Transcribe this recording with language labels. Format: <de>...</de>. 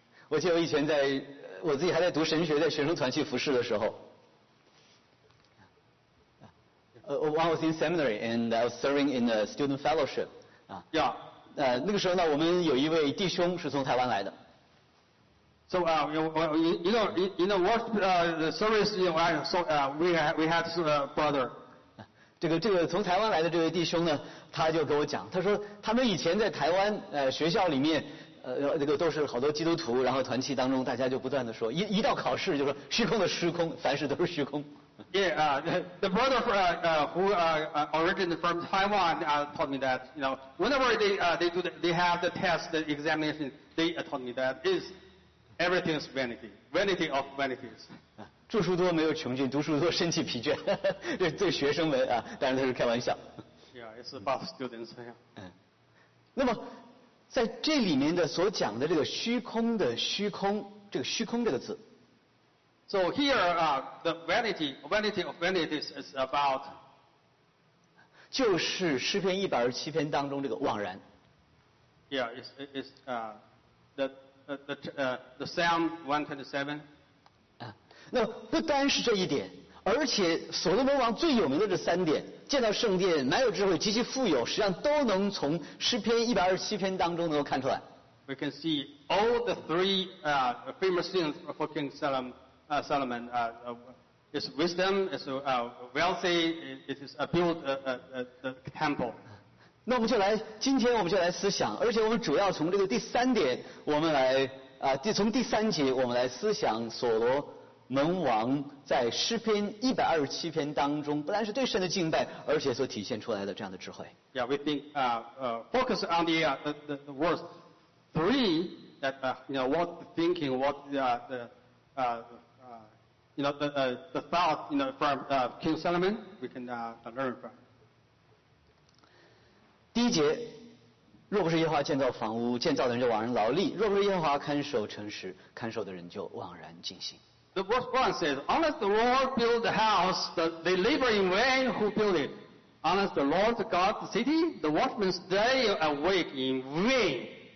<zh>我记得我以前在我自己还在读神学，在学生团去服侍的时候。</zh> <en>I was in seminary and I was serving in a student fellowship. Yeah.</en> <zh>那个时候呢，我们有一位弟兄是从台湾来的。</zh> <en>So you know what the service you know, we had a brother.</en> <zh>这个从台湾来的这位弟兄呢，他就给我讲，他说他们以前在台湾学校里面这个都是好多基督徒，然后团契当中大家就不断的说一到考试就说虚空的虚空，凡事都是虚空。</zh> <en>Yeah, the brother who originally from Taiwan told me that, you know, whenever they have the test, the examination, they told me that is everything is vanity, vanity of vanities.</en> <zh>著书多没有穷尽，读书多身体疲倦，这是对学生们啊，当然他是开玩笑。</zh> <en>Yeah, it's about students.</en> <zh>那么在这里面的所讲的这个虚空的虚空，这个虚空这个字。</zh> <en>So here, the vanity of vanities is about.</en> <zh>就是诗篇一百二十七篇当中这个枉然。</zh> <en>Yeah, it's the Psalm 127.</en> <zh>那不单是这一点，而且所罗门王最有名的这三点，建造圣殿、满有智慧、极其富有，实际上都能从诗篇一百二十七篇当中能够看出来。</zh> <en>We can see all the three famous things for King Solomon. It's wisdom, it's wealthy, it is a build a temple.</en> <zh>那我们就来，今天我们就来思想，而且我们主要从这个第三点，我们来从第三节我们来思想所罗门王在诗篇一百二十七篇当中，不但是对神的敬拜，而且所体现出来的这样的智慧。</zh> <en>Yeah, we think focus on the words three that what thinking, what the thought from King Solomon we can learn from.</en> <zh>第一节，若不是耶和华建造房屋，建造的人就枉然劳力；若不是耶和华看守城池，看守的人就枉然尽心。</zh> <en>The verse one says, "Unless the Lord build the house, they labor in vain who build it. Unless the Lord guard the city, the watchmen stay awake in vain."</en>